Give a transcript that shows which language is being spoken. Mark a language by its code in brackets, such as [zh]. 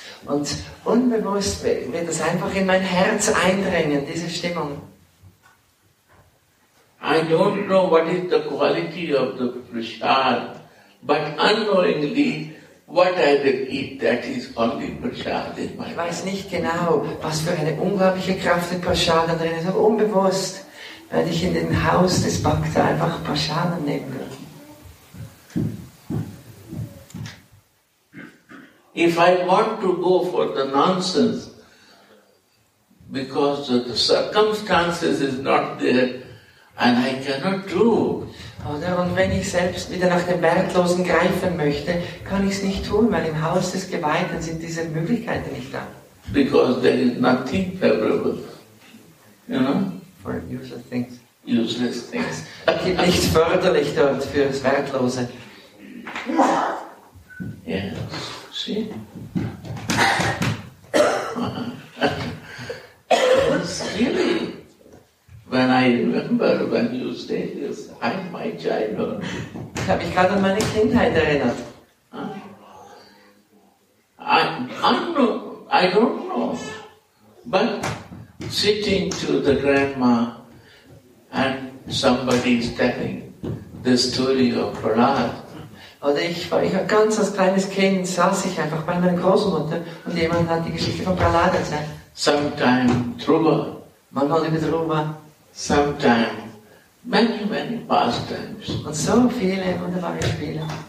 [de] Und unbewusst wird es einfach in mein Herz eindringen, diese Stimmung. [en] I don't know what is the quality of the prasad, but unknowingly, what I will eat, that is only prasad in my heart. [de] Ich weiß nicht genau, was für eine unglaubliche Kraft in prasad drin ist, aber unbewusst werde ich in den Haus des Bhakta einfach prasad nehmen. [en] If I want to go for the nonsense, because the circumstances is not there, and I cannot do. [de] Oder und wenn ich selbst wieder nach dem Wertlosen greifen möchte, kann ich es nicht tun, weil im Haus des Geweihten sind diese Möglichkeiten nicht da. [en] Because there is nothing favorable, you know? For useless things. Useless things. [de] Es gibt nichts förderlich dort für das Wertlose. [en] Yes, see? When I remember when you say this, I'm my childhood. [de] Ich habe mich gerade an meine Kindheit erinnert. [en] I don't know. But sitting to the grandma and somebody is telling the story of Prahlad. [de] Oder ich war ganz als kleines Kind, saß ich einfach bei meiner Großmutter und jemand hat die Geschichte von Prahlad erzählt. [en] Sometime Dhruva. [de] Manchmal über Dhruva. [en] Sometime, many, many pastimes. [de] Und so viele wunderbare Spiele.